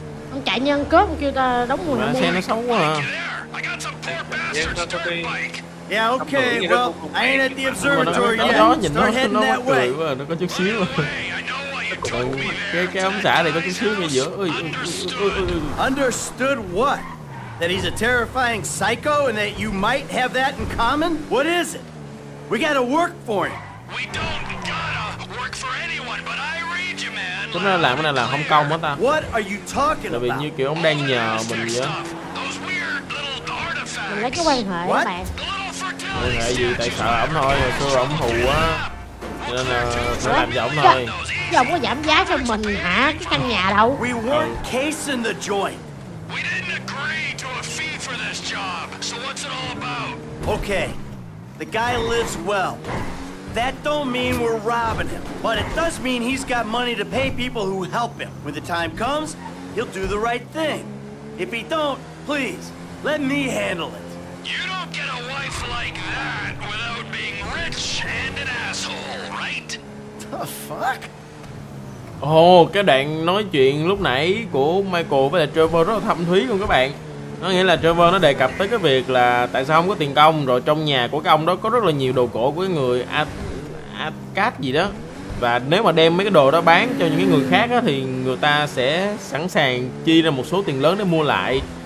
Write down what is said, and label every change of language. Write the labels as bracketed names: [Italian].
[Vietnamese] Không chạy như ăn cướp kêu ta đóng mui. Xe nó xấu quá. [English] Yeah, okay. Well, I ain't at the observatory yet. [Vietnamese] Nhìn nó [English] heading that way. [Vietnamese] Nó có chút xíu. Cái ống xả này có chút xíu ngay giữa. [English] Understood what? That he's a terrifying psycho and that you might have that in common? What is it? We gotta work for him. We don't gotta work for anyone, but I read you, man. [Vietnamese] Chúng ta làm cái này là không công đó ta. [English] What are you talking about? [Vietnamese] Là vì như kiểu ông đang nhờ mình vậy. Mình lấy cái quan hệ đó bạn. Quan hệ gì? Tại sợ ổng thôi, rồi xưa ổng thù á. Cho nên là phải làm cho ổng thôi. Chứ ổng có giảm giá cho mình hả? Cái căn nhà đâu? [English] We weren't casing the joint. We didn't agree to a fee for this job. So what's it all about? Okay. The guy lives well. That don't mean we're robbing him, but it does mean he's got money to pay people who help him. When the time comes, he'll do the right thing. If he don't, please, let me handle it. You don't get a wife like that without being rich and an asshole, right? The fuck? [Vietnamese] Cái đoạn nói chuyện lúc nãy của Michael với là Trevor rất là thâm thúy luôn các bạn. Nó nghĩa là Trevor nó đề cập tới cái việc là tại sao không có tiền công, rồi trong nhà của cái ông đó có rất là nhiều đồ cổ của cái người Akkad gì đó. Và nếu mà đem mấy cái đồ đó bán cho những người khác á, thì người ta sẽ sẵn sàng chi ra một số tiền lớn để mua lại.